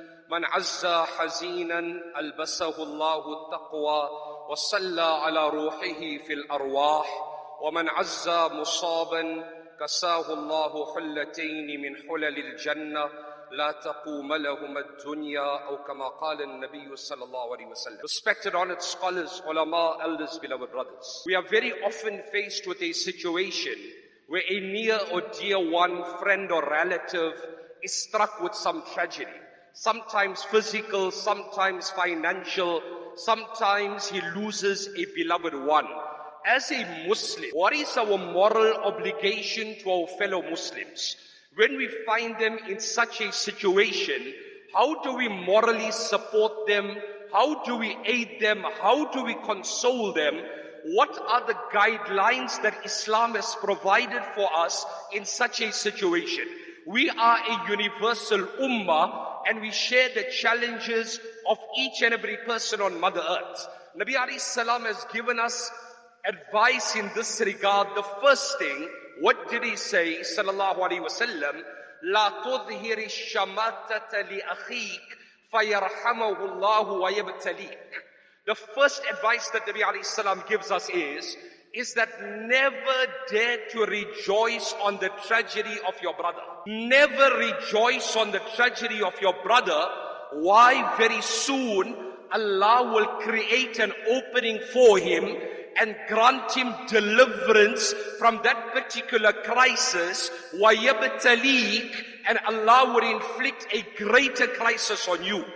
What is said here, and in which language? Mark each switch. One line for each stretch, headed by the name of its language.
Arabic: من عزى حزينا ألبسه الله التقوى وصلى على روحه في الأرواح ومن عزى مصابا كساه الله حلتين من حلل الجنة لا تقوم لهم الدنيا أو كما قال النبي صلى الله عليه وسلم.
English: Respected honored scholars, ulama, elders, beloved brothers. We are very often faced with a situation where a near or dear one, friend or relative is struck with some tragedy. Sometimes physical, sometimes financial, sometimes he loses a beloved one. As a Muslim, what is our moral obligation to our fellow Muslims? When we find them in such a situation, how do we morally support them? How do we aid them? How do we console them? What are the guidelines that Islam has provided for us in such a situation? We are a universal ummah and we share the challenges of each and every person on Mother Earth. Nabi Alayhi Salaam has given us advice in this regard. The first thing, what did he say, sallallahu alaihi wasallam?
Arabic: لا تظهر الشماتة لأخيك فيرحمه الله ويبتليك.
English: The first advice that Nabi alayhi salam gives us is that never dare to rejoice on the tragedy of your brother. Never rejoice on the tragedy of your brother. Why? Very soon, Allah will create an opening for him and grant him deliverance from that particular crisis,
Arabic: ويبتليك,
English: and Allah would inflict a greater crisis on you.